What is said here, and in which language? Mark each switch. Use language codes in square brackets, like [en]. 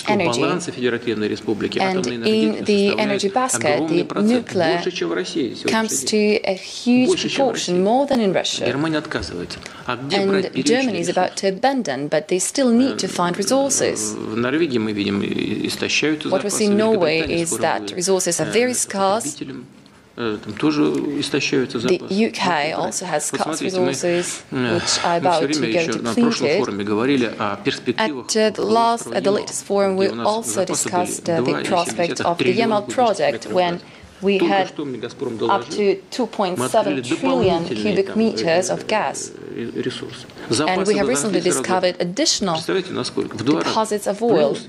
[en] And in the energy basket, the nuclear comes to a huge proportion, more than in Russia. And Germany is about to abandon, but they still need to find resources. What we see in Norway is that resources are very scarce. [ru] Там тоже истощаются запасы. [en] The UK also has scarce resources, which are about to go depleted. [ru] Мы все время еще на прошлом форуме говорили о перспективах. [en] At the latest forum, we also discussed the prospect of the Yamal project, when We had up to 2.7 trillion cubic meters of gas. And we have recently discovered additional deposits of oil.